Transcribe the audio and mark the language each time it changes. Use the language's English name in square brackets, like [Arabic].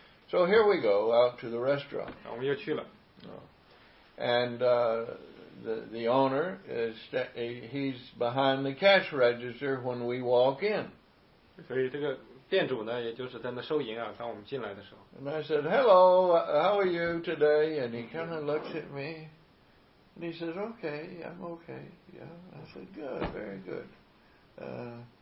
[English] So here we go out to the restaurant. [Chinese] 我们又去了。 [English] And the owner he's behind the cash register when we walk in. [Chinese] 所以这个店主呢，也就是在那收银啊，当我们进来的时候。 [English] And I said, "Hello, how are you today?" And he kind of looks at me, and he says, "Okay, I'm okay. Yeah." I said, "Good, very good."